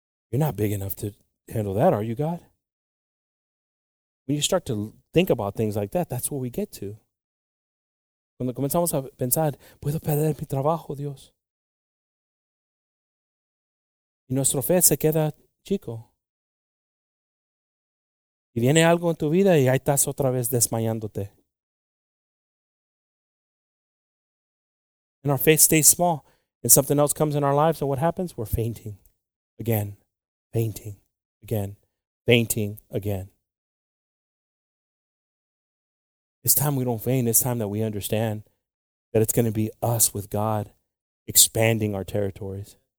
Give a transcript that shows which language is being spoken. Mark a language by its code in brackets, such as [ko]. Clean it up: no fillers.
[en] You're not big enough to handle that, are you, God? When you start to think about things like that, that's where we get to. [es] Cuando comenzamos a pensar, puedo perder mi trabajo, Dios. Y nuestra fe se queda chico. Y viene algo en tu vida y ahí estás otra vez desmayándote. [en] And our faith stays small. And something else comes in our lives, and what happens? We're fainting again, fainting again, fainting again. It's time we don't faint. It's time that we understand that it's going to be us with God expanding our territories.